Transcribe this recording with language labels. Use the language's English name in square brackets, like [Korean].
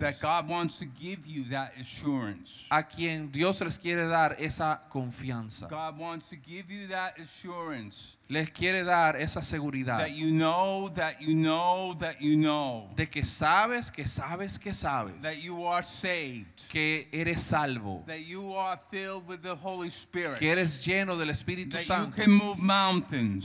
[English] that God wants to give you that assurance, [Spanish] a quien Dios les quiere dar esa confianza. [English] God wants to give you that assurance, [Spanish] les quiere dar esa seguridad, [English] that you know, that you know, that you know, [Spanish] de que sabes, que sabes, que sabes, [English] that you are saved, [Spanish] que eres salvo, [English] that you are filled with the Holy Spirit, [Spanish] que eres lleno del Espíritu [English] that [Spanish] Santo, [English] you can move mountains,